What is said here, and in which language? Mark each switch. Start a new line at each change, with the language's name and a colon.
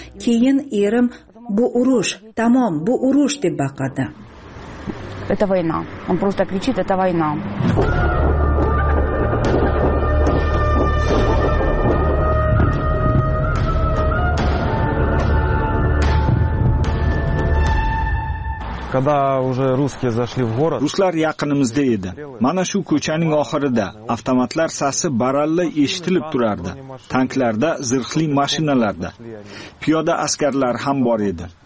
Uzbek: Keyin erim bu urush, tamom, bu urush deb baqirdi.
Russian: Это война. Он просто кричит: "Это война". Когда уже русские зашли в город.
Uzbek: Ruslar yaqinimizda edi. Mana shu ko'chaning oxirida avtomatlar sasi baralla eshitilib turardi. Tanklarda, zirhli mashinalarda. Piyoda askarlar ham bor edi.